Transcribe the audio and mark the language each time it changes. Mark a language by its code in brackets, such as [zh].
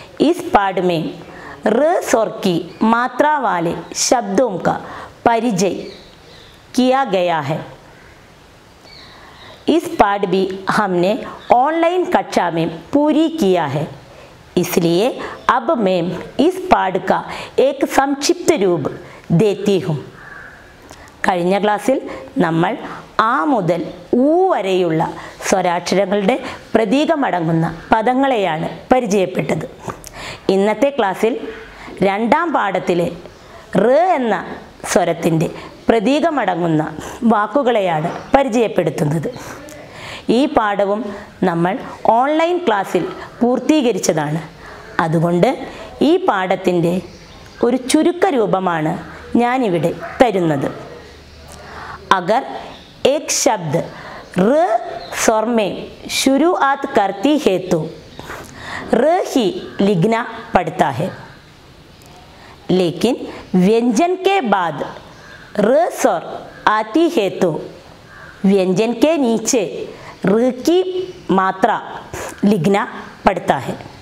[hi] इस पाठ में र स्वर की मात्रा वाले शब्दों का परिचय किया गया है। इस पाठ भी हमने ऑनलाइन कक्षा में पूरी किया है, इसलिए अब मैं इस पाठ का एक संक्षिप्त रूप देती हूँ। [ml] കഴിഞ്ഞ ക്ലാസ്സിൽ നമ്മൾ ആ മുതൽ ഊ വരെയുള്ള സ്വരാക്ഷരങ്ങളുടെ പ്രതീകമടങ്ങുന്ന പദങ്ങളെയാണ് പരിചയപ്പെട്ടത്. ഇന്നത്തെ ക്ലാസ്സിൽ രണ്ടാം പാഠത്തിലെ റ എന്ന സ്വരത്തിൻ്റെ പ്രതീകമടങ്ങുന്ന വാക്കുകളെയാണ് പരിചയപ്പെടുത്തുന്നത്. ഈ പാഠവും നമ്മൾ ഓൺലൈൻ ക്ലാസ്സിൽ പൂർത്തീകരിച്ചതാണ്. അതുകൊണ്ട് ഈ പാഠത്തിൻ്റെ ഒരു ചുരുക്കരൂപമാണ് ഞാനിവിടെ തരുന്നത്. [hi] अगर एक शब्द र स्वर में शुरुआत करती है तो र ही लिखना पड़ता है, लेकिन व्यंजन के बाद र स्वर आती है तो व्यंजन के नीचे र की मात्रा लिखना पड़ता है।